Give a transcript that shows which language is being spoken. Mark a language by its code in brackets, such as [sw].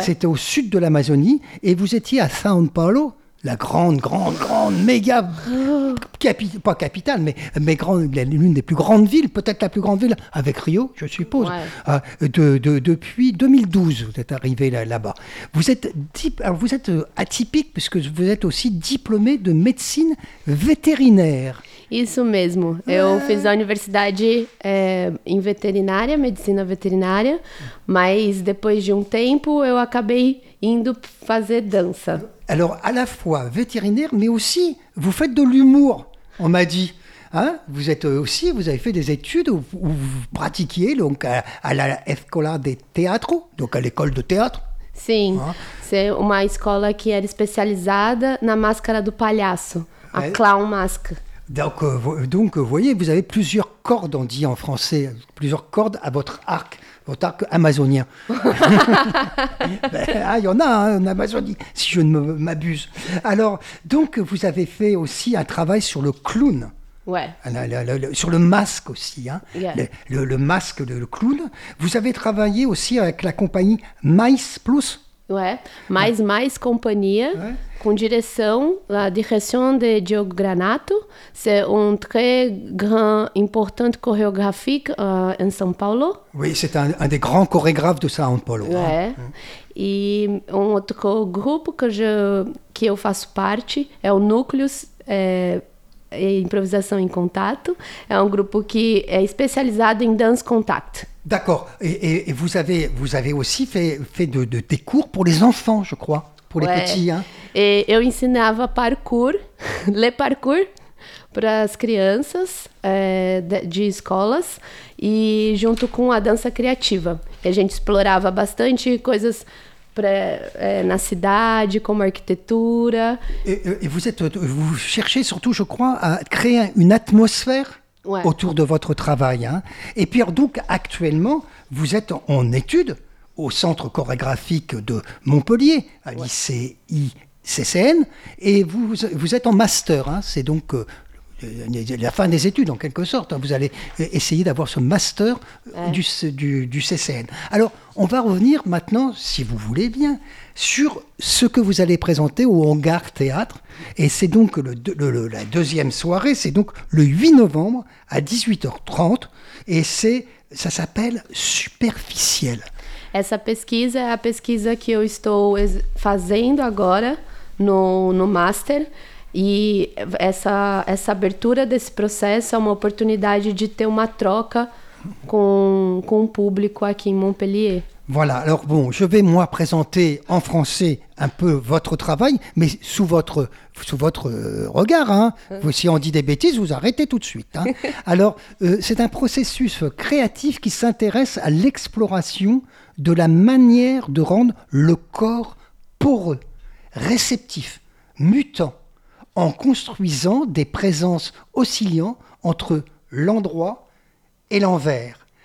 [fr] C'était au sud de l'Amazonie et vous étiez à São Paulo, la grande, méga, l'une des plus grandes villes, peut-être la plus grande ville, avec Rio, je suppose, depuis 2012, vous êtes arrivé là-bas. Vous êtes atypique puisque vous êtes aussi diplômé de médecine vétérinaire. [pt] Isso mesmo. Eu fiz a universidade em veterinária, medicina veterinária, mas depois de tempo eu acabei indo fazer dança. [fr] Alors, à la fois vétérinaire, mais aussi, vous faites de l'humour, on m'a dit. Hein? Vous êtes aussi, vous avez fait des études où vous pratiquiez, donc à la Escola de Teatro, donc à l'école de théâtre. [pt] Sim, hein? [fr] C'est [pt] uma escola que era especializada na máscara do palhaço, [en] a clown mask. [fr] Donc, vous voyez, vous avez plusieurs cordes, on dit en français, plusieurs cordes à votre arc amazonien. il y en a en Amazonie, si je ne m'abuse. Alors, donc, vous avez fait aussi un travail sur le clown. Ouais. Sur le masque aussi. Hein. [en] Yeah. [fr] Le masque, le clown. Vous avez travaillé aussi avec la compagnie Mais Plus. Ouais, Mais Compagnie. Ouais. [pt] Com direção, a direção de Diogo Granato, [fr] c'est un très grand, important chorégraphique [pt] em São Paulo. [fr] Oui, c'est un des grands chorégraphes de São Paulo. Ouais. Hein. [pt] E um outro grupo que eu faço parte é o Núcleos Improvisação em Contato. É um grupo que é especializado em [en] dance contact. [fr] D'accord. Et vous avez aussi fait des cours pour les enfants, je crois. Pour les petits, hein. [pt] Et eu ensinava parkour, le parkour, para as crianças de escolas e junto com a dança criativa. E a gente explorava bastante coisas na cidade, como arquitetura. [fr] Et vous cherchez surtout, je crois, à créer une atmosphère autour de votre travail, hein. Et puis alors, donc actuellement, vous êtes en études au centre chorégraphique de Montpellier, à l'ICI-CCN, et vous êtes en master, hein, c'est donc la fin des études en quelque sorte, hein, vous allez essayer d'avoir ce master du CCN. Alors, on va revenir maintenant, si vous voulez bien, sur ce que vous allez présenter au Hangar Théâtre, et c'est donc la deuxième soirée, c'est donc le 8 novembre à 18h30, et ça s'appelle « Superficiel ». [pt] Essa pesquisa é a pesquisa que eu estou fazendo agora no Master. E essa abertura desse processo é uma oportunidade de ter uma troca com o público aqui em Montpellier. [fr] Voilà, alors bon, je vais moi présenter en français un peu votre travail, mais sous votre regard, hein. Vous, si on dit des bêtises, vous arrêtez tout de suite, hein. Alors, c'est un processus créatif qui s'intéresse à l'exploration de la manière de rendre le corps poreux, réceptif, mutant, en construisant des présences oscillant entre l'endroit et l'envers.